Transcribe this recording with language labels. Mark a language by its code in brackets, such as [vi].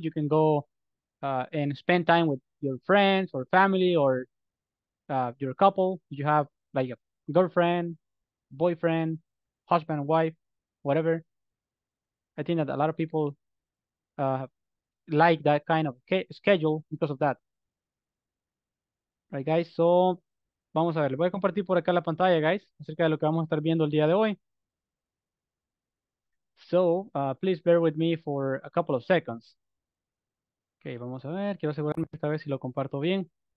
[en] You can go and spend time with your friends or family or your couple. You have like a girlfriend, boyfriend, husband, wife, whatever. I think that a lot of people like that kind of schedule because of that. Right, guys? So, [es] vamos a ver. Les voy a compartir por acá la pantalla, guys, acerca de lo que vamos a estar viendo el día de hoy. [en] So, please bear with me for a couple of seconds. [es] Okay, vamos a ver. Quiero asegurarme esta vez si lo comparto bien.